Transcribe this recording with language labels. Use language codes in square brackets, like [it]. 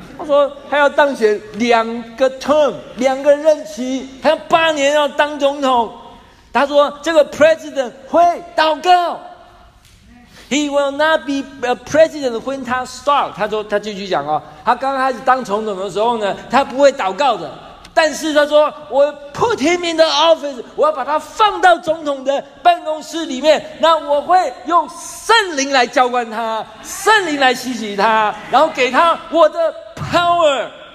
[zh] 他说他要当选两个 term， 两个任期，他要八年要当总统。他说这个 President 会祷告。 [en] He will not be a president when he starts. [zh] 他说，他继续讲哦，他刚开始当总统的时候呢，他不会祷告的。但是他说，我 [en] put him in the office， [zh] 我要把他放到总统的办公室里面，那我会用圣灵来浇灌他，圣灵来洗洗他，然后给他我的 power。